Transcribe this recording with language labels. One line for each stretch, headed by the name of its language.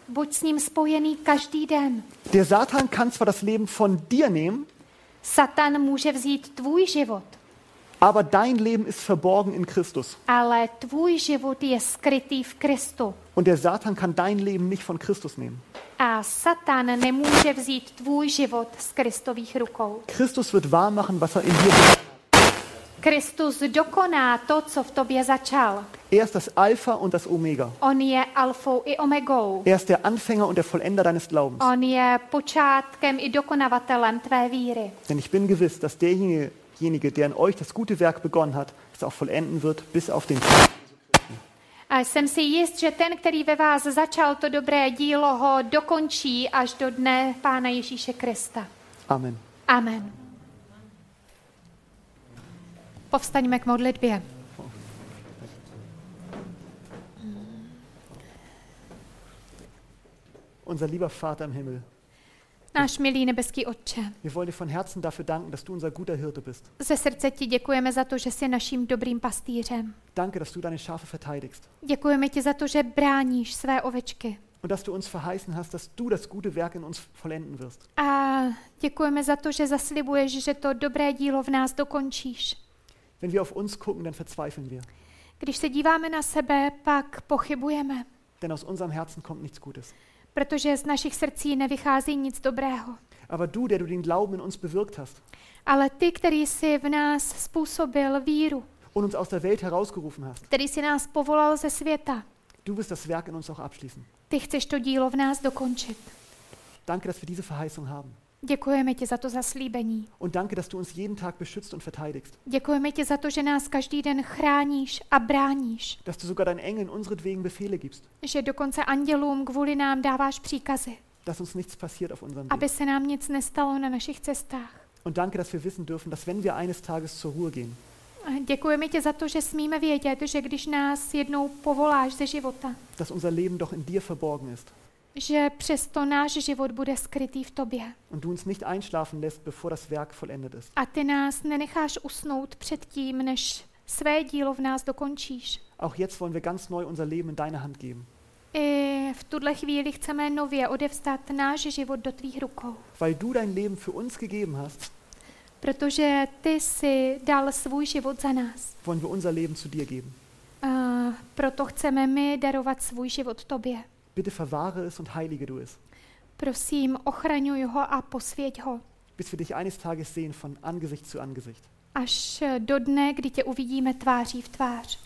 Czech: Buď s ním spojený každý den.
German: Der Satan kann zwar das Leben von dir nehmen.
Czech: Satan může vzít tvůj život.
German: Aber dein Leben ist verborgen in Christus.
Czech: Ale tvůj život je skrytý v Kristu.
German: Und der Satan kann dein Leben nicht von Christus nehmen.
Czech: A Satan nemůže vzít tvůj život z Kristových rukou.
German: Christus wird wahr machen, was er in dir hat.
Czech: Kristus dokoná to, co v tobě začal.
German: Er ist das Alpha und das Omega.
Czech: On je Alfou i Omegou.
German: Er ist der Anfänger und der Vollender deines Glaubens.
Czech: On je počátkem i dokonavatelem tvé víry.
German: Denn ich bin gewiss, dass derjenige, der in euch das gute Werk begonnen hat, es auch vollenden wird, bis auf den Tag.
Czech: A jsem si jist, že ten, který ve vás začal to dobré dílo, ho dokončí až do dne Pána Ježíše Krista.
German: Amen.
Czech: Amen. Povstaňme k modlitbě.
German: Unser lieber Vater im Himmel.
Czech: Náš milý nebeský Otče.
German: Wir wollen dir von Herzen dafür danken, dass du unser guter Hirte bist.
Czech: Ze srdce ti děkujeme za to, že jsi naším dobrým pastýřem.
German: Danke, dass du deine Schafe verteidigst.
Czech: Děkujeme ti za to, že bráníš své ovečky.
German: Und dass du uns verheißen hast, dass du das gute Werk in uns vollenden wirst.
Czech: A děkujeme za to, že zaslibuješ, že to dobré dílo v nás dokončíš.
German: Wenn wir auf uns gucken, dann verzweifeln wir.
Czech: Když se díváme na sebe, pak pochybujeme.
German: Denn aus unserem Herzen kommt nichts Gutes.
Czech: Protože z našich srdcí nevychází nic dobrého.
German: Aber du, der du den Glauben in uns bewirkt hast.
Czech: Ale ty, který jsi v nás způsobil víru.
German: Und uns aus der Welt herausgerufen hast.
Czech: Který jsi nás povolal ze světa.
German: Du wirst das Werk in uns auch abschließen.
Czech: Ty chceš to dílo v nás dokončit.
German: Danke, dass wir diese Verheißung haben.
Czech: Děkujeme ti za to zaslíbení.
German: Und danke, dass du uns jeden Tag beschützt und verteidigst.
Czech: Děkujeme ti za to, že nás každý den chráníš a bráníš.
German: Dass du sogar deinen Engeln unseretwegen Befehle gibst.
Czech: Že dokonce andělům kvůli nám dáváš příkazy.
German: Dass uns nichts passiert auf unserem Weg.
Czech: Aby se nám nic nestalo na našich cestách.
German: Und danke, dass wir wissen dürfen, dass wenn wir eines Tages zur Ruhe gehen.
Czech: Děkujeme ti za to, že smíme vědět, že když nás jednou povoláš ze života.
German: Dass unser Leben doch in dir verborgen ist.
Czech: Že přesto náš život bude skrytý v tobě.
German: Und du uns nicht einschlafen lässt, bevor das Werk vollendet ist.
Czech: A ty nás nenecháš usnout před tím, než své dílo v nás dokončíš.
German: Auch jetzt wollen wir ganz neu unser Leben in deine Hand geben.
Czech: I v tuhle chvíli chceme nově odevzdat náš život do tvých rukou.
German: Weil du dein Leben für uns gegeben hast.
Czech: Protože ty jsi dal svůj život za nás.
German: Wollen wir unser Leben zu dir geben.
Czech: Proto chceme my darovat svůj život tobě.
German: Bitte verwahre es und heilige du es.
Czech: Prosím, ochraňuj ho a posvěť ho.
German: Bis wir dich eines Tages sehen von Angesicht zu Angesicht.
Czech: Až do dne, kdy tě uvidíme tváří v tvář.